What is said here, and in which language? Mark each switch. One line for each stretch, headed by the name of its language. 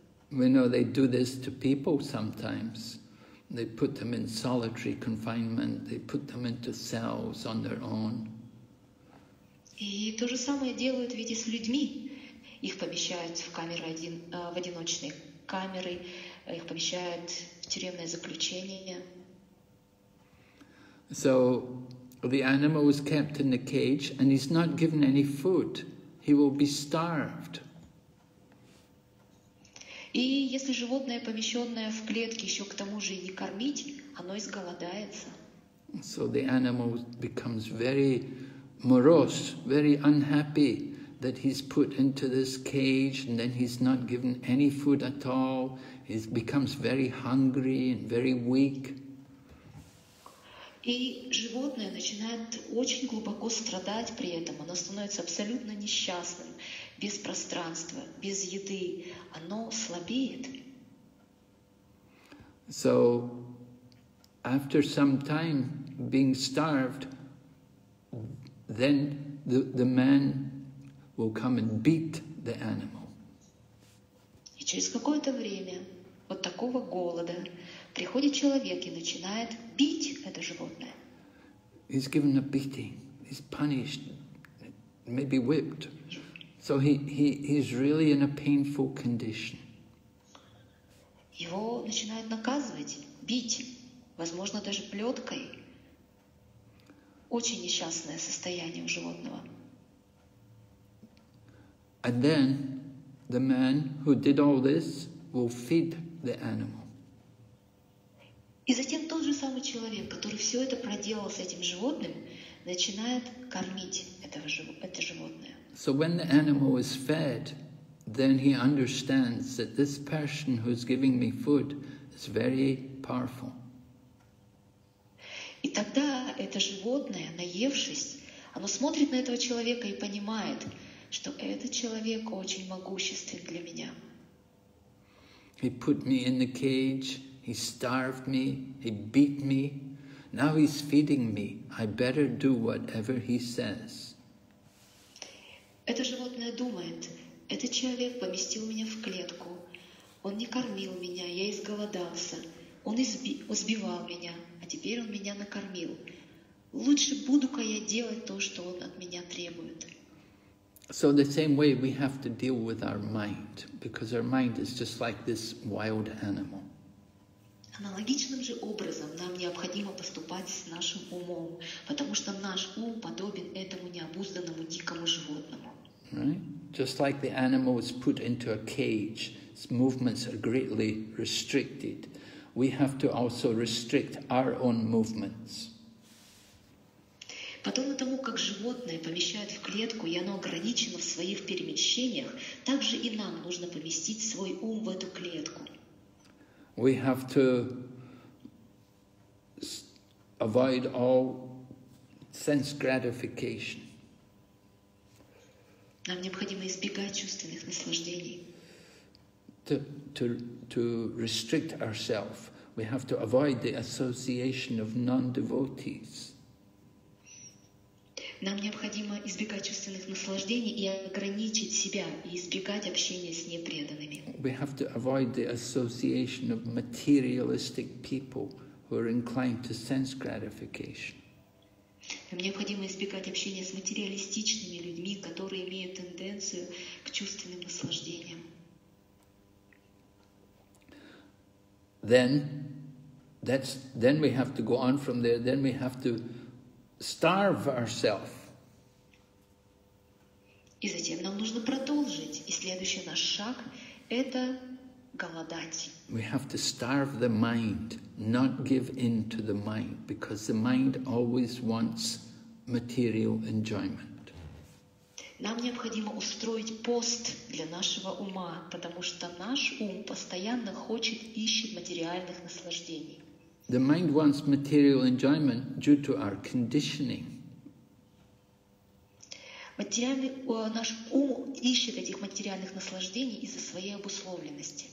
English: We know they do this to people sometimes. They put them in solitary confinement, they put them into cells on their own.
Russian: И то же самое делают ведь и с людьми. Их помещают в камеры в одиночные камеры, их помещают в тюремное заключение.
English: So the animal is kept in the cage and he's not given any food. He will be starved.
Russian: И если животное, помещенное в клетке, еще к тому же и не кормить, оно изголодается.
English: So the animal becomes very morose, very unhappy that he's put into this cage and then he's not given any food at all. He becomes very hungry and very weak.
Russian: И животное начинает очень глубоко страдать при этом. Оно становится абсолютно несчастным, без пространства, без еды. Оно слабеет.
English: So, after some time being starved, then the man will come and beat the animal.
Russian: И через какое-то время вот такого голода приходит человек и начинает бить это животное.
English: He's given a beating. He's punished. Maybe whipped. So he's really in a painful condition.
Russian: Его начинают наказывать, бить, возможно, даже плеткой. Очень несчастное состояние у животного.
English: And then the man who did all this will feed the animal.
Russian: И затем тот же самый человек, который все это проделал с этим животным, начинает кормить этого это животное.
English: So when the animal is fed, then he understands that this person who's giving me food is very powerful.
Russian: И тогда это животное, наевшись, оно смотрит на этого человека и понимает, что этот человек очень могуществен для меня.
English: He put me in the cage, he starved me, he beat me. Now he's feeding me. I better do whatever he says.
Russian: Это животное думает, этот человек поместил меня в клетку. Он не кормил меня, я изголодался. Он избивал меня, а теперь он меня накормил. Лучше буду-ка я делать то, что он от меня требует.
English: So the same way we have to deal with our mind, because our mind is just like this wild animal.
Russian: Аналогичным же образом нам необходимо поступать с нашим умом, потому что наш ум подобен этому необузданному дикому животному.
English: Right? Just like the animal is put into a cage, its movements are greatly restricted. We have to also restrict our own movements.
Russian: Подобно тому, как животное помещают в клетку, и оно ограничено в своих перемещениях, так же и нам нужно поместить свой ум в эту клетку.
English: We have to avoid all sense gratification.
Russian: Нам необходимо избегать чувственных наслаждений.
English: To restrict ourselves. We have to avoid the association of non-devotees.
Russian: Нам необходимо избегать чувственных наслаждений и ограничить себя, и избегать общения с непреданными.
English: We have to avoid the association of materialistic people who are inclined to sense gratification.
Russian: Нам необходимо избегать общения с материалистичными людьми, которые имеют тенденцию к чувственным наслаждениям.
English: Then we have to go on from there, then we have to starve ourselves.
Russian: И затем нам нужно продолжить, и следующий наш шаг – это голодать.
English: We have to starve the mind, not give in to the mind, because the mind always wants material enjoyment.
Russian: Нам необходимо устроить пост для нашего ума, потому что наш ум постоянно хочет, ищет материальных наслаждений.
English: The mind wants material enjoyment due to our conditioning.
Russian: Наш ум ищет этих материальных наслаждений из-за своей обусловленности.